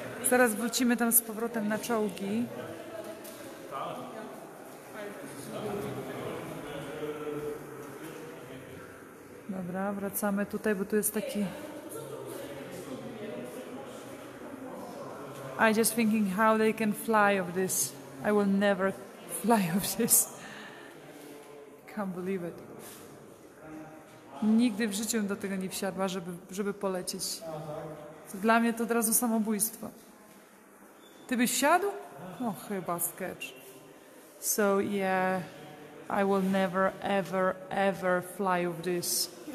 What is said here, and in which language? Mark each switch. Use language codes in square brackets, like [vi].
[pl] Zaraz wrócimy tam z powrotem na czołgi. Dobra, wracamy tutaj, bo tu jest taki... [en] I just thinking how they can fly of this. I will never fly of this. Can't believe it. [pl] Nigdy w życiu bym do tego nie wsiadła, żeby polecieć. Dla mnie to od razu samobójstwo. Ty byś wsiadł? O, chyba sketch. [en] So yeah, I will never, ever, ever fly of this.